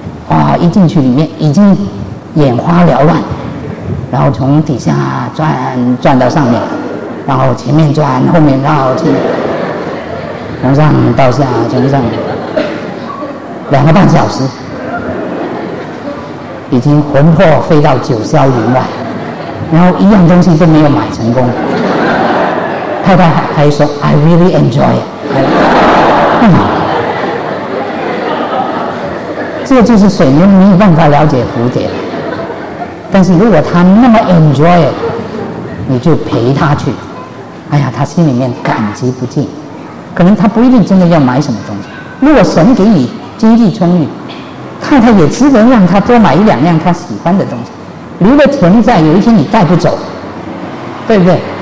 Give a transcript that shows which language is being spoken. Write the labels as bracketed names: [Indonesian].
[Chinese] 哇，一进去里面已经眼花缭乱，然后从底下转转到上面，然后前面转后面绕，从上到下，从上两个半小时已经魂魄飞到九霄云外，然后一样东西都没有买成功。太太还说 [English] I really enjoy it， [Chinese] 太好了。这就是水牛没有办法了解蝴蝶，但是如果他那么 enjoy， 你就陪他去。哎呀，他心里面感激不尽，可能他不一定真的要买什么东西。如果神给你经济充裕，太太也值得让他多买一两样他喜欢的东西，留了钱在，有一天你带不走，对不对？